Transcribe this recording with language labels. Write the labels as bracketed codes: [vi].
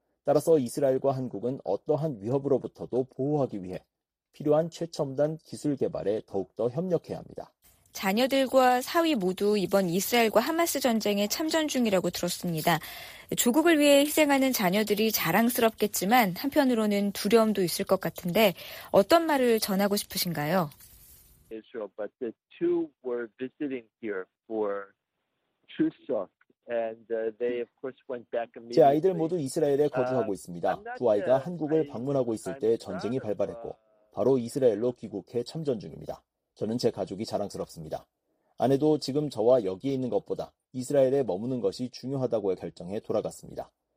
[ko] 따라서 이스라엘과 한국은 어떠한 위협으로부터도 보호하기 위해 필요한 최첨단 기술 개발에 더욱더 협력해야 합니다. 자녀들과 사위 모두 이번 이스라엘과 하마스 전쟁에 참전 중이라고 들었습니다. 조국을 위해 희생하는 자녀들이 자랑스럽겠지만 한편으로는 두려움도 있을 것 같은데 어떤 말을 전하고 싶으신가요? [en] Israel, but the two were visiting here for Chuseok. And they of course went back immediately. [ko] 제 아이들 모두 이스라엘에 거주하고 있습니다. 두 아이가 한국을 방문하고 있을 때 전쟁이 발발했고 바로 이스라엘로 귀국해 참전 중입니다. 저는 제 가족이 자랑스럽습니다. 아내도 지금 저와 여기에 있는 것보다 이스라엘에 머무는 것이 중요하다고 결정해 돌아갔습니다.